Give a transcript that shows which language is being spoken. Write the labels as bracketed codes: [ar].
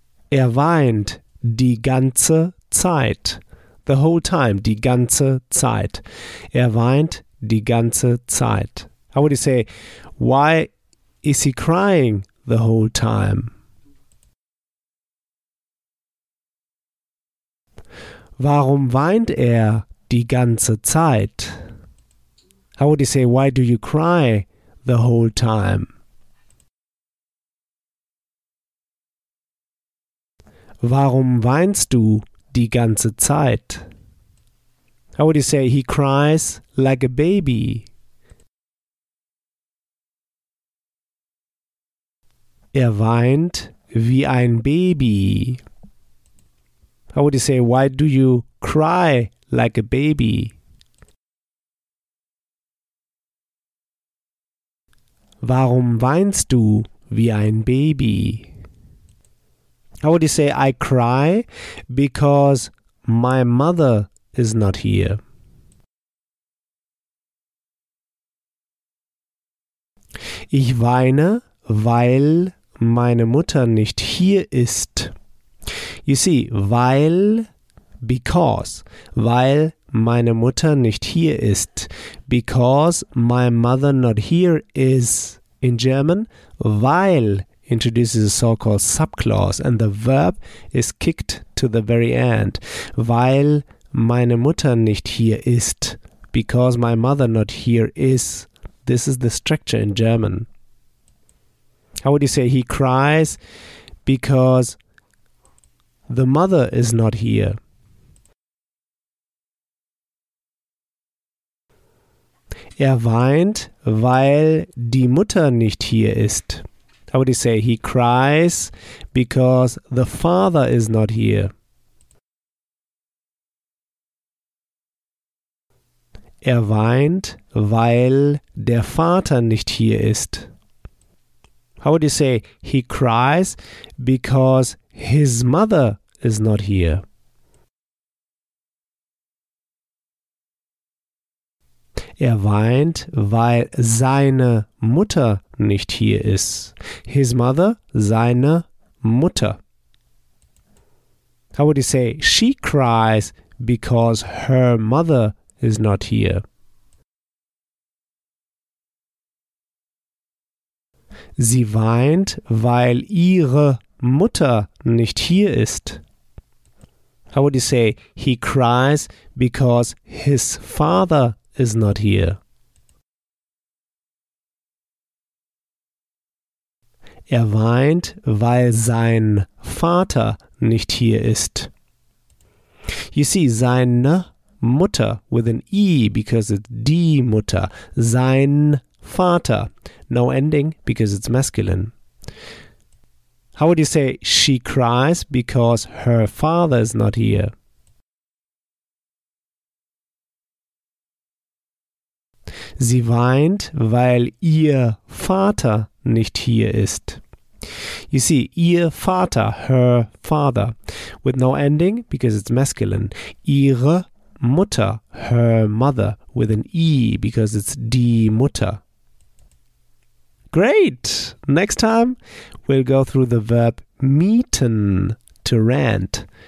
[de] Weint die ganze Zeit. [en] The whole time. [de] Die ganze Zeit. Weint die ganze Zeit. [en] How would you say, why is he crying the whole time? [de] Warum weint die ganze Zeit? [en] How would you say, why do you cry the whole time? [de] Warum weinst du die ganze Zeit? [en] How would you say, he cries like a baby? [de] Weint wie ein Baby. [en] How would you say, why do you cry like a baby? [de] Warum weinst du wie ein Baby? [en] How would you say, I cry because my mother is not here? [de] Ich weine, weil meine Mutter nicht hier ist. [en] You see, [de] weil, because, weil meine Mutter nicht hier ist. [en] Because my mother not here is. In German, weil introduces a so-called subclause and the verb is kicked to the very end. [de] Weil meine Mutter nicht hier ist. [en] Because my mother not here is. This is the structure in German. How would you say he cries because the mother is not here? [de] Weint, weil die Mutter nicht hier ist. [en] How would you say he cries because the father is not here? [de] Weint, weil der Vater nicht hier ist. [en] How would you say he cries because his mother is not here? [de] Weint, weil seine Mutter nicht hier ist. [en] His mother, seine Mutter. How would you say she cries because her mother is not here? [de] Sie weint, weil ihre Mutter nicht hier ist. [en] How would you say, he cries because his father is not here? [de] Weint, weil sein Vater nicht hier ist. [en] You see, seine Mutter with an E because it's die Mutter. [de] Sein Vater. [en] No ending because it's masculine. How would you say she cries because her father is not here? [de] Sie weint, weil ihr Vater nicht hier ist. [en] You see, ihr Vater, her father, with no ending because it's masculine. Ihre Mutter, her mother, with an E because it's die Mutter. Great! Next time, we'll go through the verb mieten, to rent.